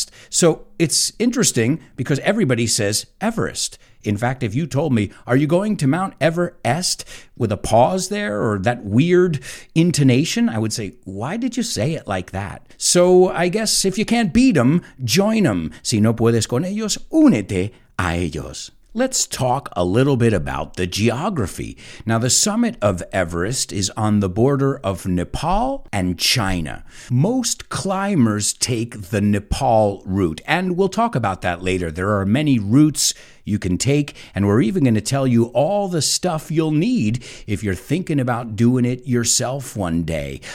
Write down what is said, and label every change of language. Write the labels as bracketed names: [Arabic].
[English] So it's interesting because everybody says Everest. In fact, if you told me, are you going to Mount Everest with a pause there or that weird intonation, I would say, why did you say it like that? So I guess if you can't beat them, join them. [Spanish] Si no puedes con ellos, únete a ellos. [English] Let's talk a little bit about the geography. Now, the summit of Everest is on the border of Nepal and China. Most climbers take the Nepal route, and we'll talk about that later. There are many routes you can take, and we're even going to tell you all the stuff you'll need if you're thinking about doing it yourself one day.